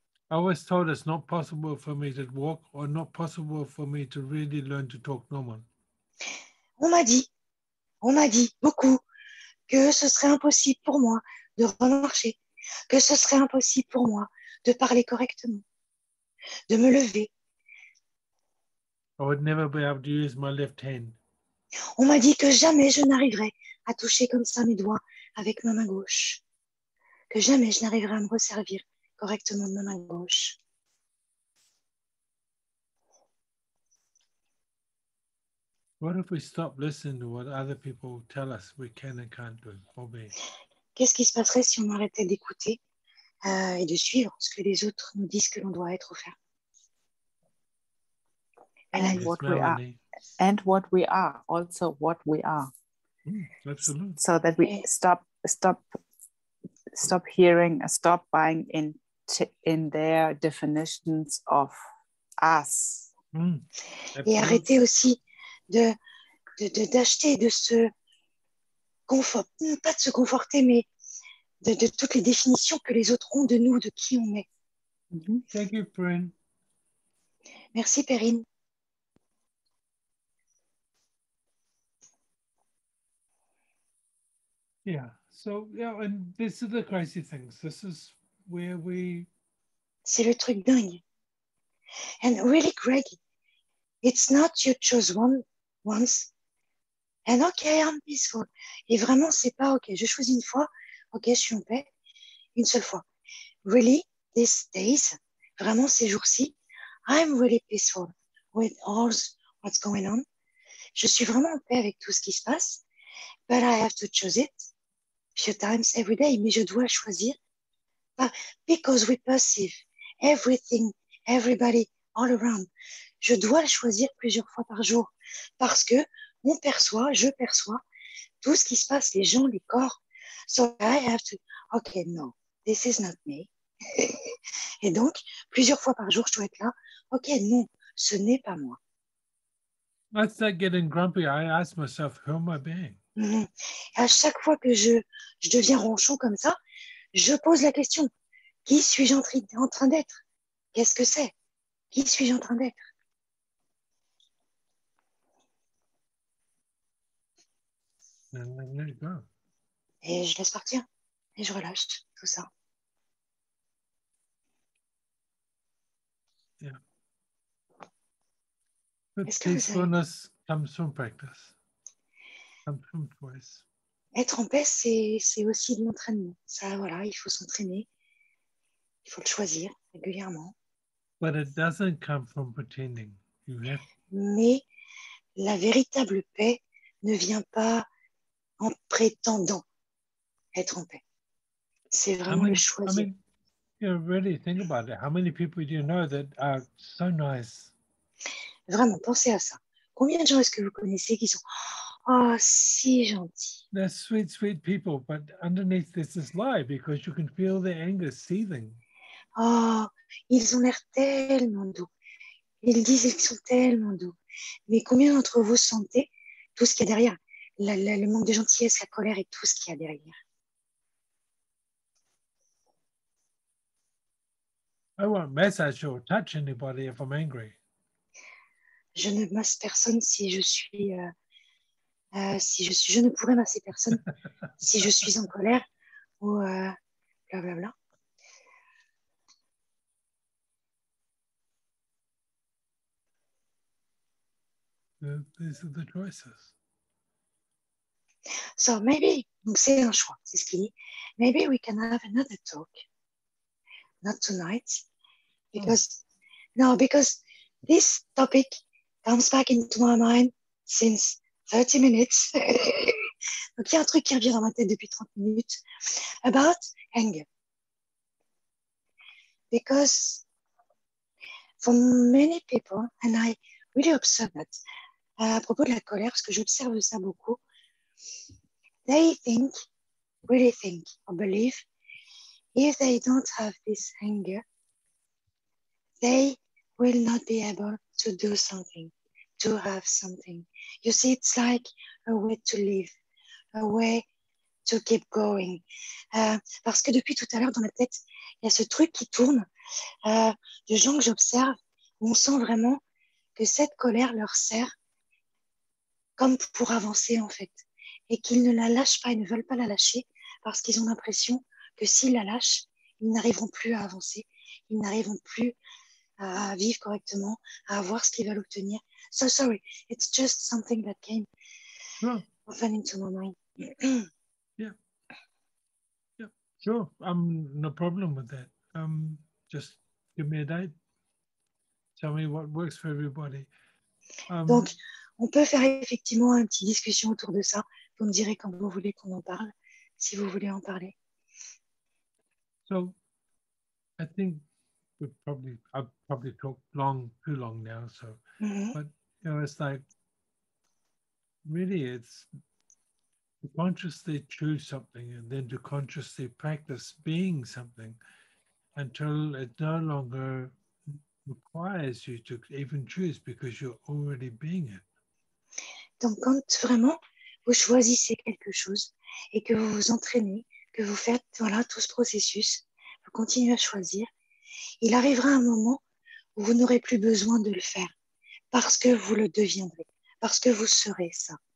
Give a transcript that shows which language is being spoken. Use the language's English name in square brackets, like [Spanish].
[English] I was told it's not possible for me to walk or not possible for me to really learn to talk normal. [French] On m'a dit beaucoup que ce serait impossible pour moi de remarcher, que ce serait impossible pour moi de parler correctement, de me lever. [English] I would never be able to use my left hand. [French] On m'a dit que jamais je n'arriverais à toucher comme ça mes doigts avec ma main gauche, que jamais je n'arriverais à me resservir correctement de ma main gauche. [English] What if we stop listening to what other people tell us we can and can't do or be? [French] Qu'est-ce qui se passerait si on arrêtait d'écouter et de suivre ce que les autres nous disent que l'on doit être ou faire? [English] And what we are, also what we are. Mm, absolutely. So that we stop hearing, stop buying in their definitions of us. Mm, [French] et arrêter aussi d'acheter de se conforter, pas de se conforter, mais de toutes les définitions que les autres ont de nous, de qui on est. [English] Thank you, Perrine. [French] Merci, Perrine. [English] Yeah, so, yeah, and this is the crazy things. This is where we... [French] C'est le truc dingue. [English] And really, Greg, it's not you chose one, and okay, I'm peaceful. [French] Et vraiment, c'est pas okay. Je choisis une fois, okay, je suis en paix, une seule fois. [English] Really, these days, [French] vraiment ces jours-ci, [English] I'm really peaceful with all what's going on. [French] Je suis vraiment en paix avec tout ce qui se passe, [English] but I have to choose it a few times every day. [French] Mais je dois choisir, [English] because we perceive everything, everybody all around. [French] je dois le choisir plusieurs fois par jour parce que on perçoit, je perçois tout ce qui se passe, les gens, les corps. [English] So I have to, okay, no, this is not me. [French] Et donc, plusieurs fois par jour, je dois être là. Ok, non, ce n'est pas moi. [English] I start getting grumpy, I ask myself, who am I being? [French] Et à chaque fois que je deviens ronchon comme ça, je pose la question, qui suis-je en train d'être? Qu'est-ce que c'est? Qui suis-je en train d'être? Et je laisse partir, et je relâche tout ça. [English] The peacefulness comes from practice. Comes from choice. [French] Être en paix, c'est aussi de l'entraînement. Ça, voilà, il faut s'entraîner. Il faut le choisir régulièrement. [English] But it doesn't come from pretending. You have... [French] Mais la véritable paix ne vient pas en prétendant être en paix. C'est vraiment le choisir. [English] I mean, you know, really think about it. How many people do you know that are so nice? [French] Vraiment, pensez à ça. Combien de gens est-ce que vous connaissez qui sont oh, si gentils? [English] They're sweet, sweet people, but underneath this is lie because you can feel their anger seething. [French] Oh, ils ont l'air tellement doux. Ils disent qu'ils sont tellement doux. Mais combien d'entre vous sentez tout ce qu'il y a derrière? Le manque de gentillesse, la colère et tout ce qu'il y a derrière. [English] I won't massage or touch anybody if I'm angry. [French] Je ne masse personne si je suis si je suis, je ne pourrais masser personne si je suis en colère ou bla bla bla. [English] These are the choices. So maybe, [French] donc c'est un choix, c'est ce qu'il dit. [English] Maybe we can have another talk, not tonight, because no, because this topic comes back into my mind since 30 minutes. [French] Donc, il y a un truc qui revient dans ma tête depuis 30 minutes [English] about anger. Because for many people, and I really observe that, [French] à propos de la colère, parce que j'observe ça beaucoup, [English] they think, really think, or believe, if they don't have this anger, they will not be able to do something. To have something. You see, it's like a way to live, a way to keep going. [French] Parce que depuis tout à l'heure, dans ma tête, il y a ce truc qui tourne de gens que j'observe, où on sent vraiment que cette colère leur sert comme pour avancer, en fait, et qu'ils ne la lâchent pas, ils ne veulent pas la lâcher, parce qu'ils ont l'impression que s'ils la lâchent, ils n'arriveront plus à avancer, ils n'arriveront plus à vivre correctement, à avoir ce qu'ils veulent obtenir. [English] So sorry, it's just something that came often into my mind. Yeah. Yeah, sure. No problem with that. Just give me a date. Tell me what works for everybody. [French] Donc, on peut faire effectivement une petite discussion autour de ça. Vous me direz quand vous voulez qu'on en parle, si vous voulez en parler. [English] So, I think I've probably talked long, too long now, so. Mm-hmm. But, you know, it's like, really, it's to consciously choose something and then to consciously practice being something until it no longer requires you to even choose because you're already being it. [French] Donc, quand vraiment vous choisissez quelque chose et que vous vous entraînez, que vous faites voilà, tout ce processus, vous continuez à choisir, il arrivera un moment où vous n'aurez plus besoin de le faire. Parce que vous le deviendrez, parce que vous serez ça.